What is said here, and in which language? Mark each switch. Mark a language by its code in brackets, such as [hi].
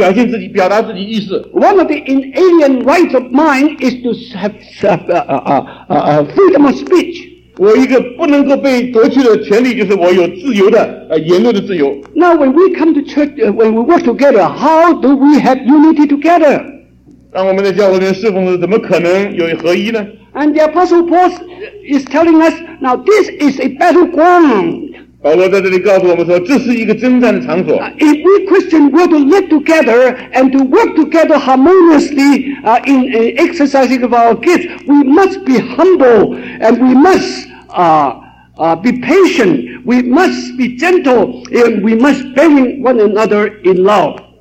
[zh] 在这里的教育就是鼓励我们每个人尽量表现自己，表达自己意思。 [en] One of the inalienable rights of mine is to have freedom of speech. [zh] 我一个不能够被夺去的权利就是我有自由的言论的自由。 [en] Now when we come to church, when we work together, how do we have unity together? [zh] 让我们在教会里面侍奉的怎么可能有合一呢？ [en] And the Apostle Paul is telling us, now this is a battleground. [zh] 保罗在这里告诉我们说，这是一个征战的场所。 [en] If we Christians were to live together and to work together harmoniously in exercising of our gifts, we must be humble and we must be patient, we must be gentle, and we must bear one another in love.